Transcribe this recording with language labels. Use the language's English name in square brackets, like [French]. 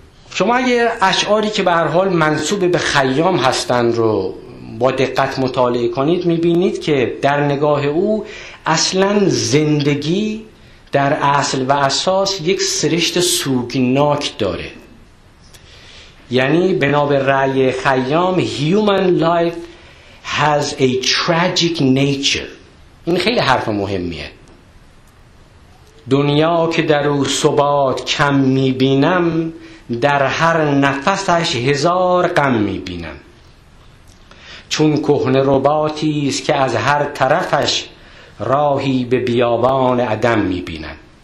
[Persian] شما اگر اشعاری که به هر حال منسوب به خیام هستن رو با دقت مطالعه کنید، میبینید که در نگاه او اصلا زندگی در اصل و اساس یک سرشت سوگناک داره. یعنی بنابر رأی خیام [English] Human life has a tragic nature. [Persian] این خیلی حرف مهمیه. دنیا که در او ثبات کم میبینم، در هر نفسش هزار غم میبینم. چون کهنه رباطی است که از هر طرفش راهی به بیابان عدم میبینم.